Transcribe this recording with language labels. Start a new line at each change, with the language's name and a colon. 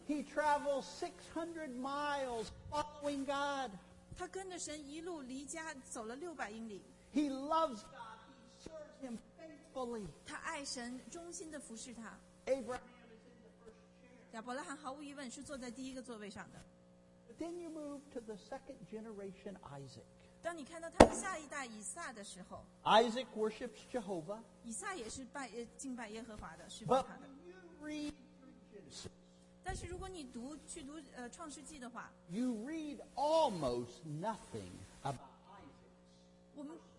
English: He travels 600 miles following God.
Chinese: 他跟着神一路离家走了600英里。
English: He loves God. He serves Him faithfully.
Chinese: 他爱神，忠心地服侍他。
English: Abraham.
Chinese: 亚伯拉罕毫无疑问是坐在第一个座位上的。
English: Then you move to the second generation, Isaac.
Chinese: 当你看到他的下一代以撒的时候
English: ，Isaac worships Jehovah.
Chinese: 以撒也是拜敬拜耶和华的，是拜他的。
English: But when you read Genesis,
Chinese: 但是如果你读去读创世纪的话
English: ，you read almost nothing about Isaac.